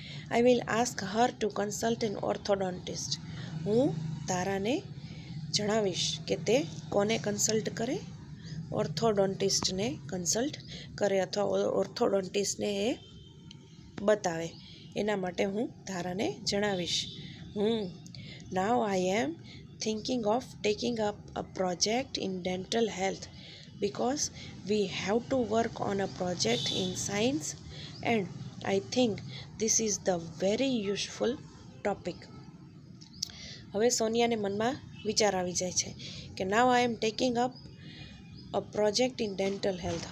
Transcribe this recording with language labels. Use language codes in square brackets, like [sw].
[en] I will ask her to consult an orthodontist. [gu] હું તારાને જણાવીશ કે તે કોને કન્સલ્ટ કરે, ઓર્થોડોન્ટિસ્ટને કન્સલ્ટ કરે અથવા ઓર્થોડોન્ટિસ્ટને એ બતાવે, એના માટે હું તારાને જણાવીશ. હું [en] Now I am thinking of taking up a project in dental health because we have to work on a project in science, and I think this is the very useful topic. [gu] હવે સોનિયાને મનમાં વિચાર આવી જાય છે કે [en] Now I am taking up a project in dental health.